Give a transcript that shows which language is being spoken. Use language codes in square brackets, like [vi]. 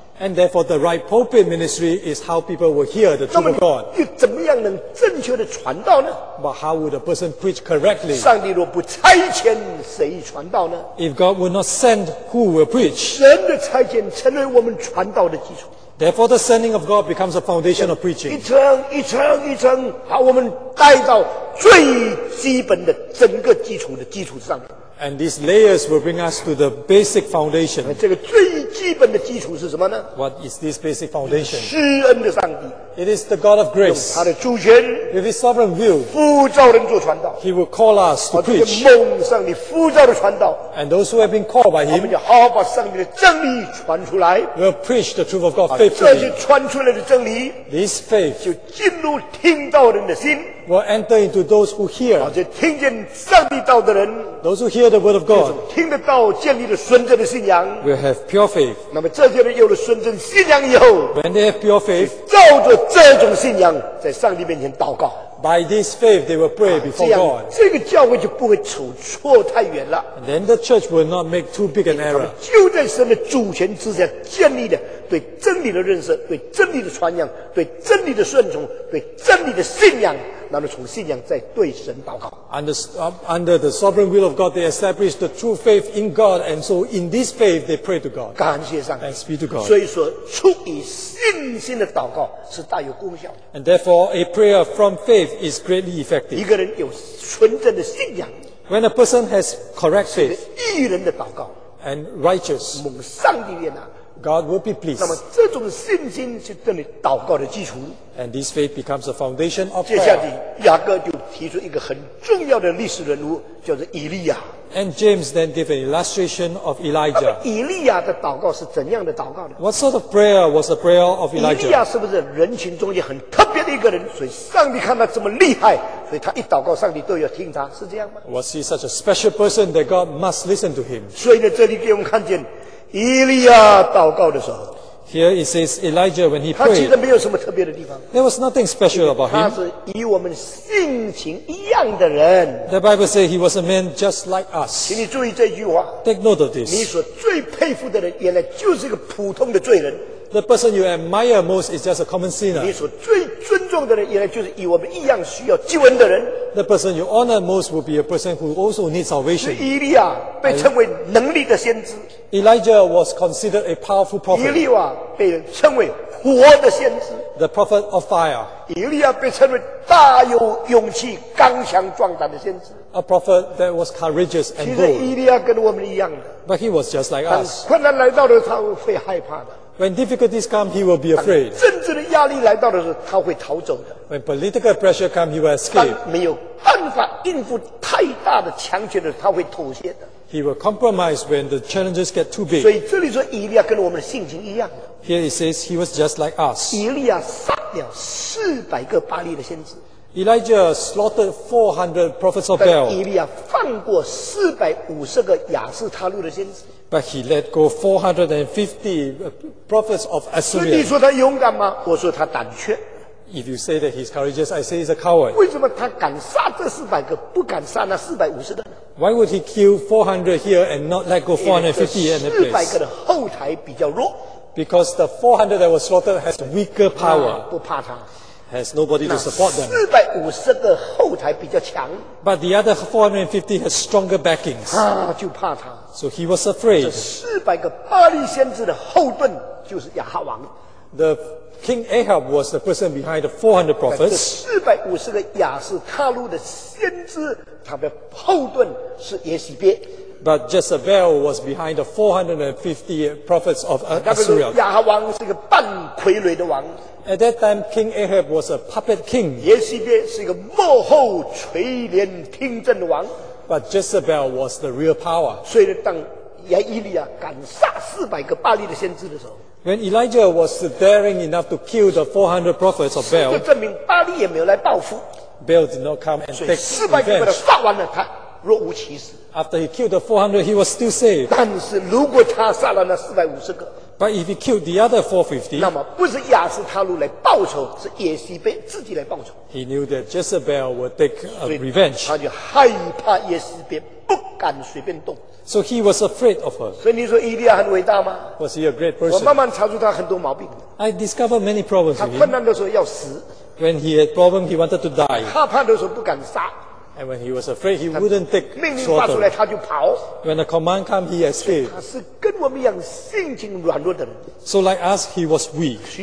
[en] And therefore, the right pulpit ministry is how people will hear the truth of God. [zh] 那么你怎么样能正确的传道呢？ [en] But how would a person preach correctly? [zh] 上帝若不差遣，谁传道呢？ [en] If God will not send, who will preach? [zh] 神的差遣成为我们传道的基础。 [en] Therefore, the sending of God becomes a foundation of preaching. [zh] 一层一层一层，把我们带到最基本的整个基础的基础上。 [en] And these layers will bring us to the basic foundation. [zh] 这个最基本的基础是什么呢？ [en] What is this basic foundation? [zh] 施恩的上帝。 [en] It is the God of grace. [zh] 用他的主权。 [en] With his sovereign will. [zh] 呼召人做传道。 [en] He will call us to preach. [zh] 这个蒙上帝呼召的传道。 [en] And those who have been called by him. [zh] 我们就好好把上帝的真理传出来。 [en] Will preach the truth of God faithfully. [zh] 这些传出来的真理。 [en] This faith. [zh] 就进入听到人的心。 [en] Will enter into those who hear. [zh] 这听见上帝道的人。 [en] Those who hear the word of God. [zh] 听得到建立了纯正的信仰。 [en] Will have pure faith. [zh] 那么这些人有了纯正信仰以后。 [en] When they have pure faith. [zh] 照着这种信仰在上帝面前祷告。 [en] By this faith, they will pray before God. [zh] 这样，这个教会就不会走错太远了。 [en] And then the church will not make too big an error. [zh] 就在神的主权之下建立的对真理的认识，对真理的传扬，对真理的顺从，对真理的信仰。那么从信仰再对神祷告。 [en] Under the sovereign will of God, they establish the true faith in God, and so in this faith, they pray to God. [zh] 感谢上帝。 [en] Thanks be to God. [zh] 所以说，出于信心的祷告是大有功效的。 [en] And therefore, a prayer from faith is greatly effective. [zh] 一个人有纯正的信仰。 [en] When a person has correct faith. [zh] 义人的祷告。 [en] And righteous. [zh] 蒙上帝悦纳。 [en] God will be pleased. [zh] 那么这种信心是对你祷告的基础。 [en] And this faith becomes a foundation of prayer. [zh] 接下来雅各就提出一个很重要的历史人物，叫做以利亚。 [en] And James then gave an illustration of Elijah. [zh] 以利亚的祷告是怎样的祷告呢？ [en] What sort of prayer was the prayer of Elijah? [zh] 以利亚是不是人群中间很特别的一个人？所以上帝看他这么厉害，所以他一祷告，上帝都要听他，是这样吗？ [en] Was he such a special person that God must listen to him? [zh] 所以呢，这里给我们看见。以利亚祷告的时候 [en] ，Here it says Elijah when he prayed. [zh] 他其实没有什么特别的地方。 [en] There was nothing special about him. [zh] 他是与我们性情一样的人。 [en] The Bible says he was a man just like us. [zh] 请你注意这句话。 [en] Take note of this. [zh] 你所最佩服的人，原来就是一个普通的罪人。 [en] The person you admire most is just a common sinner. [zh] 你所最尊重的人，原来就是与我们一样需要救恩的人。 [en] The person you honor most will be a person who also needs salvation. [zh] 以利亚被称为能力的先知。 [en] Elijah was considered a powerful prophet. [zh] 以利亚被称为火的先知。 [en] The prophet of fire. [zh] 以利亚被称为大有勇气、刚强壮胆的先知。 [en] A prophet that was courageous and bold. [zh] 其实以利亚跟我们一样的。 [en] But he was just like us. [zh] 困难来到的时候，他会害怕的。 [en] When difficulties come, he will be afraid. [zh] 政治的压力来到的时候，他会逃走的。 [en] When political pressure comes, he will escape. [zh] 他没有办法应付太大的强权的时候，他会妥协的。 [en] He will compromise when the challenges get too big. [zh] 所以这里说以利亚跟我们的性情一样。 [en] Here it says he was just like us. [zh] 以利亚杀了400个巴利的先知。 [en] Elijah slaughtered 400 prophets of Baal. [zh] 但以利亚放过450个亚斯他录的先知。 [en] But he let go 450 prophets of Assyria. [zh] 所以你说他勇敢吗？我说他胆怯。 [en] If you say that he's courageous, I say he's a coward. [zh] 为什么他敢杀这400个，不敢杀那450个呢？ [en] Why would he kill 400 here and not let go 450 in the place? [zh] 400个的后台比较弱。 [en] Because the 400 that was slaughtered has weaker power. [zh] 不怕他。 [en] Has nobody to support them. [zh] 450个后台比较强。 [en] But the other 450 has stronger backings. [zh] 他就怕他。 [en] So he was afraid. [zh] 这400个巴利先知的后盾就是亚哈王。 [en] The King Ahab was the person behind the 400 prophets. [zh] 这450个亚斯他录的先知，他的后盾是耶洗别。 [en] But Jezebel was behind the 450 prophets of Assyria. [zh] 那个亚哈王是个半傀儡的王。 [en] At that time, King Ahab was a puppet king. [zh] 耶西别是个幕后垂帘听政的王。 [en] But Jezebel was the real power. [zh] 所以当亚伊利亚敢杀400个巴利的先知的时候， [en] when Elijah was daring enough to kill the 400 prophets of Baal, [zh] 就证明巴利也没有来报复。 [en] Baal did not come and take revenge. After he killed the 400, he was still saved. [zh] 但是如果他杀了那450个, [en] but if he killed the other 450, [zh] 那么不是亚斯他路来报仇，是耶西别自己来报仇。 [en] He knew that Jezebel would take revenge. [zh] 他就害怕耶西别，不敢随便动。 [en] So he was afraid of her. [zh] 所以你说伊利亚很伟大吗？ [en] Was he a great person? [zh] 我慢慢查出他很多毛病。 [en] I discovered many problems with him. [zh] 他困难的时候要死。 [en] When he had problem, he wanted to die. [zh] 害怕的时候不敢杀。 [en] And when he was afraid, he wouldn't take slaughter. When the command came, he escaped. So like us, he was weak.